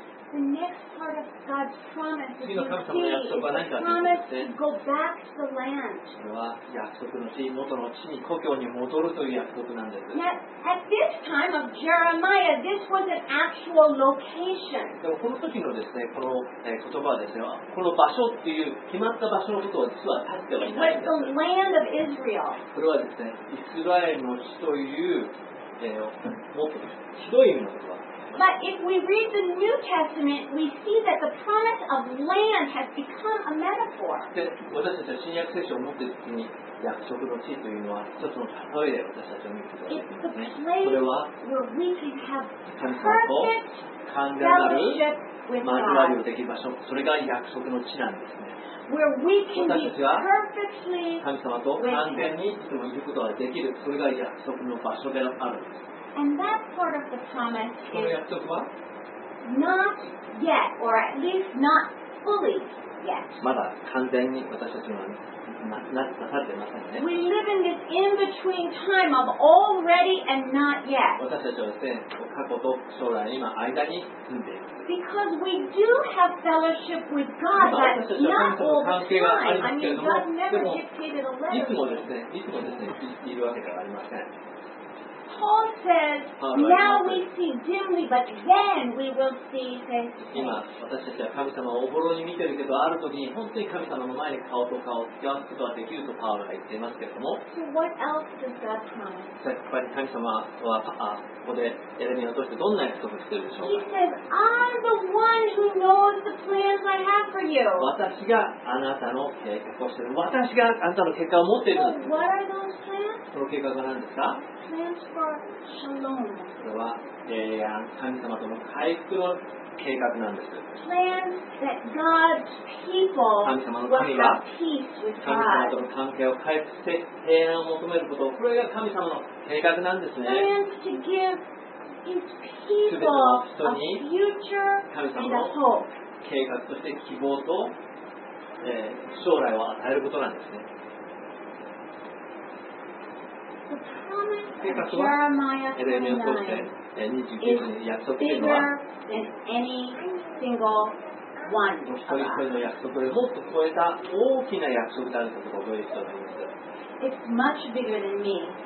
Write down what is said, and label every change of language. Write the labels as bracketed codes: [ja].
[en] The next part of God's promise is to see his promise to go back to the land. [ja] これは約束の地、元の地に故郷に戻るという約束なんです。 [en] Now, at this time of Jeremiah, this was an actual location. [ja] でもこの時のですね、この言葉はですね、この場所っていう決まった場所のことを実は立ってはいないんです。 [en] It was the land of Israel. [ja] これはですね、イスラエルの地という、もっと広い意味の言葉。 [en] But if we read the New Testament, we see that the promise of land has become a metaphor. [ja] 私たちは新約聖書を持っている時に約束の地というのは一つの例えで私たちは見ることができます、ね、これは神様と完全なる交わりをできる場所、それが約束の地なんですね。 [en] Where we can be perfectly [ja] 神様と完全にいつもいることができる、それが約束の場所であるんです。 [en] And that part of the promise is not yet, or at least not fully yet. [ja] まだ完全に私たちはなされていませんね。 [en] We live in this in-between time of already and not yet. [ja] 私たちはですね、過去と将来の今間に住んでいる。 [en] Because we do have fellowship with God, but not all the time. I mean, God never dictated a letter. [ja] いつもですね、いつもですね、いるわけではありません。 [en] Paul says, now we see dimly, but then we will see face to face. [ja] 今私たちは神様をおぼろに見てるけど、ある時に本当に神様の前に顔と顔を付き合うことができるとパウロが言っていますけれども。 [en] So what else does God promise? [ja] やっぱり神様はここでエレミアを通してどんな約束をしているでしょうか。 [en] He says, I'm the one who knows the plans I have for you. [ja] 私があなたの計画をしている。私があなたの結果を持っている。 [en] So what are those plans? [ja] その計画は何ですか？ [en] Plans for shalom. [ja] これは平安、神様との回復の計画なんです。 [en] Plans that God's people will have peace with God. [ja] 神様との関係を回復して平安を求めること、これが神様の計画なんですね。 [en] Plans to give His people a future and a hope. [ja] 神様の計画として希望と、将来を与えることなんですね。 [en] The promise of Jeremiah 29 is bigger than any single one of us. It's much bigger than me.